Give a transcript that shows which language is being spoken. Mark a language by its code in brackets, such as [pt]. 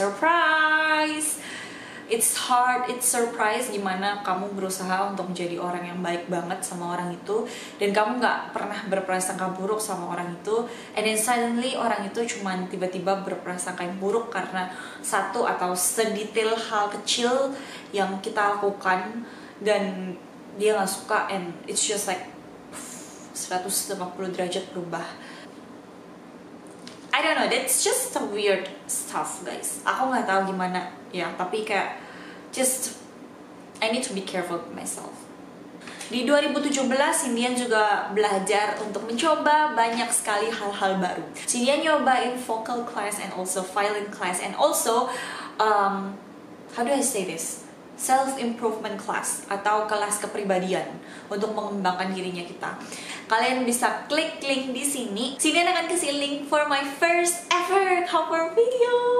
[en] Surprise! It's hard, it's surprise [id] gimana kamu berusaha untuk menjadi orang yang baik banget sama orang itu dan kamu gak pernah berprasangka buruk sama orang itu, [en] and then suddenly [id] orang itu cuman tiba-tiba berprasangka yang buruk karena satu atau sedetail hal kecil yang kita lakukan dan dia gak suka, [en] and it's just like [id] 180 derajat berubah. [en] I don't know, that's just some weird stuff, guys. [id] Aku gak tahu gimana, ya, tapi kayak [en] just, I need to be careful with myself. [id] Di 2017, Sindian juga belajar untuk mencoba banyak sekali hal-hal baru. [en] Sindian nyobain vocal class and also violin class and also, how do I say this? [id] Self-improvement class atau kelas kepribadian untuk mengembangkan dirinya kita. Kalian bisa klik link di sini. Sindian akan kasih link [en] for my first ever cover video.